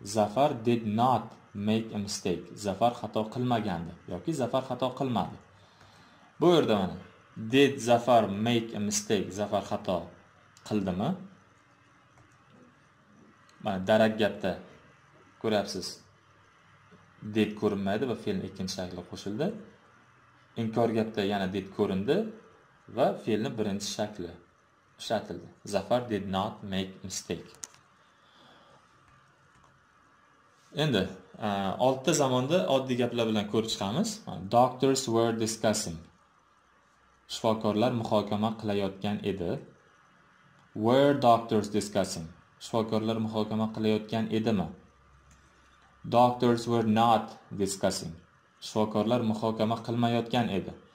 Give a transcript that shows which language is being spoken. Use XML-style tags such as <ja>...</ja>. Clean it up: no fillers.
<en>Zafar did not make a mistake.</en> <uz>Zafar xato qilmagandi yoki Zafar xato qilmadi. Bu yerda mana</uz> <en>did Zafar make a mistake?</en> <uz>Zafar xato qildimi? Mana darak gapda ko'ryapsiz. Did ko'rinmaydi va fe'lni ikkinchi shakli qo'shildi. İnkor gapda yana did ko'rindi va fe'lni birinchi shakli ishlatildi.</uz> <en>Zafar did not make a mistake.</en> <uz>Endi 6 zamonda oddiy gaplar bilan ko'rib chiqamiz.</uz> <en>Doctors were discussing.</en> <uz>Shifokorlar muhokama qilayotgan edi.</uz> <en>Were doctors discussing?</en> <uz>Shifokorlar muhokama qilayotgan edimi?</uz> <en>Doctors were not discussing.</en> <uz>Shifokorlar muhokama qilmayotgan edi.</uz>